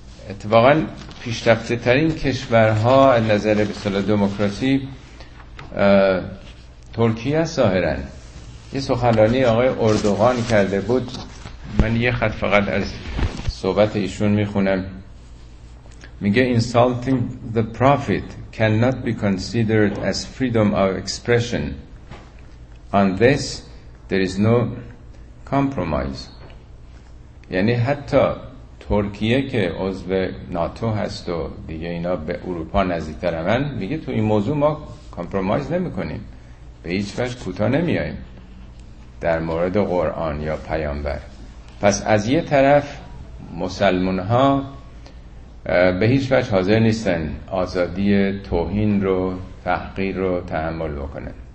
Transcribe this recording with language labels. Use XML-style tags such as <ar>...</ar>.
<fa>اتفاقاً پیشرفته ترین کشورها از نظر به اصطلاح دموکراسی ترکیه است ظاهراً. یه سخنرانی آقای اردوغان کرده بود، من یه خط فقط از صحبت ایشون میخونم. میگه</fa> <en>insulting the prophet cannot be considered as freedom of expression. On this there is no compromise.</en> <fa>یعنی حتی ترکیه که عضو ناتو هست و دیگه اینا به اروپا نزدیکتر، من میگه تو این موضوع ما کامپرومایز نمی کنیم، به هیچ وجه کوتاه نمی آییم در مورد قرآن یا پیامبر. پس از یه طرف مسلمان ها به هیچ وجه حاضر نیستن آزادی توهین رو، تحقیر رو تحمل بکنن.</fa>